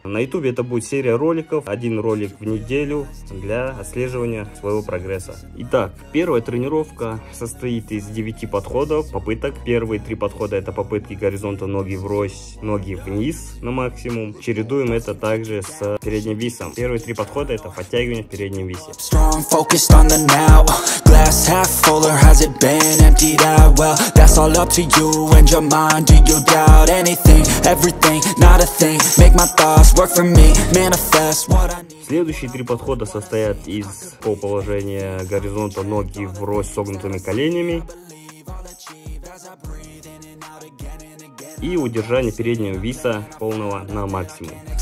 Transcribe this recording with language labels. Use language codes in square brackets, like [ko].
[ru] На ютубе это будет серия роликов, один ролик в неделю для отслеживания своего прогресса. Итак, первая тренировка состоит из 9 подходов, попыток. Первые 3 подхода — это попытки горизонта ноги врозь, ноги вниз на максимум. Чередуем это также с передним висом. Первые 3 подхода — это подтягивание в переднем висе. [en] On the now, glass half full or has it been emptied out? Well, that's all up to you and your mind. Do you doubt anything, everything, not a thing? Make my thoughts work for me, manifest what I need. [ru] Следующие 3 подхода состоят из положения горизонта ноги врозь с согнутыми коленями и удержание переднего виса полного на максимум.